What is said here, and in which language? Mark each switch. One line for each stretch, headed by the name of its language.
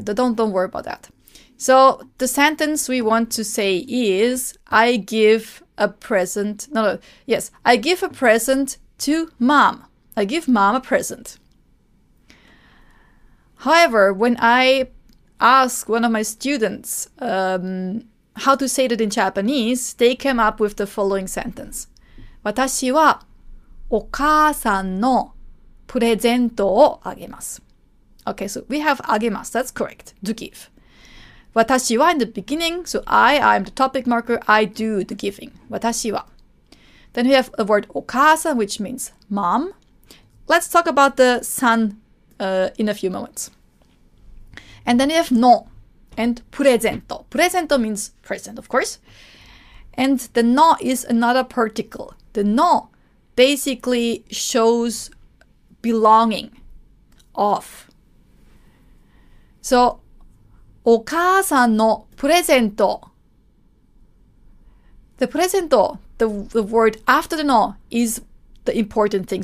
English: Don't worry about that. So the sentence we want to say is, I give a present to mom. I give mom a present. However, when I ask one of my students how to say that in Japanese, they came up with the following sentence.
Japanese: 私はお母さんのプレゼントをあげます。
English: Okay, so we have あげます.That's correct. To give. 私はin the beginning. So I'm the topic marker. I do the giving. 私は. Then we have a word お母さん, which means mom. Let's talk about the son in a few moments. And then you have no and presento. Presento means present, of course. And the no is another particle. The no basically shows belonging of.
Japanese: So, お母さんのプレゼント.
English: The presento, the word after the no is the important thing.